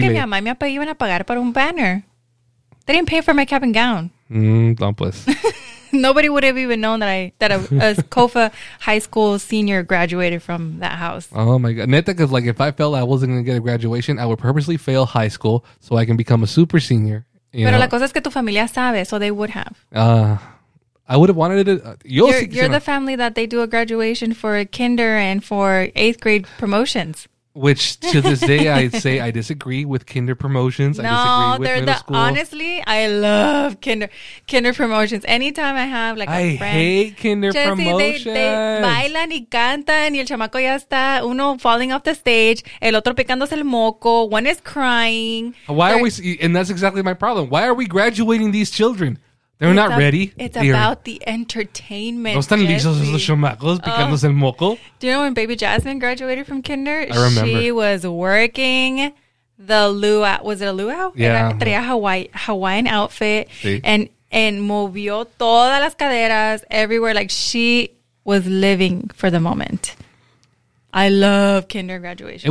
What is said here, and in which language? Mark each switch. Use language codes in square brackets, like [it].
[es] ¿Tú crees que mi mamá me iban a pagar para un banner? [en] They didn't pay for my cap and gown. [es] Tampas. [en] Nobody would have even known that a COFA high school senior graduated from that house. Oh, my God. Neta, because, like, if I felt I wasn't going to get a graduation, I would purposely fail high school so I can become a super senior. [es] Pero la cosa es que tu familia sabe, [en] so they would have. I would have wanted it. You're the family that they do a graduation for kinder and for eighth grade promotions. Which, to this day, I'd say I disagree with kinder promotions. No, honestly, I love kinder promotions. Anytime I have, like, I hate kinder promotions. They [es] bailan y cantan y el chamaco ya está. Uno [en] falling off the stage, [es] el otro picándose el moco, [en] one is crying. And that's exactly my problem. Why are we graduating these children? They're not ready. It's about the entertainment. [es] No están listos esos chamacos picándose el moco. [en] Do you know when Baby Jasmine graduated from kinder? I remember. She was working the luau. Was it a luau? Yeah. [es] Traía [en] Hawaiian outfit. [es] Sí. [en] And [es] movió todas las caderas [en] everywhere. Like, she was living for the moment. I love kinder graduation.